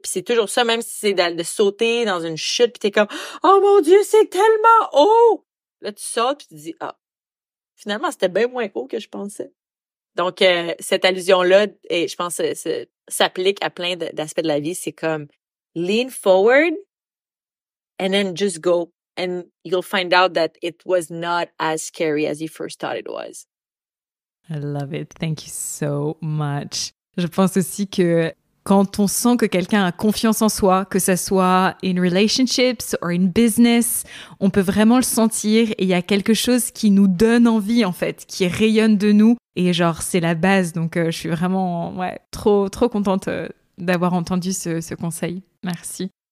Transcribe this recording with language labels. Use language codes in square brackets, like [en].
[fr] Puis c'est toujours ça, même si c'est de sauter dans une chute, puis t'es comme, oh mon Dieu, c'est tellement haut! Là, tu sautes, puis tu dis, ah, oh, finalement, c'était bien moins haut que je pensais. Donc, cette allusion-là, et je pense que ça s'applique à plein d'aspects de la vie, c'est comme, [en] lean forward, and then just go. And you'll find out that it was not as scary as you first thought it was. I love it. Thank you so much. [fr] Je pense aussi que quand on sent que quelqu'un a confiance en soi, que ce soit [en] in relationships or in business, [fr] on peut vraiment le sentir et il y a quelque chose qui nous donne envie, en fait, qui rayonne de nous Et genre, c'est la base. Donc, je suis vraiment ouais, trop, trop contente d'avoir entendu ce conseil. Merci.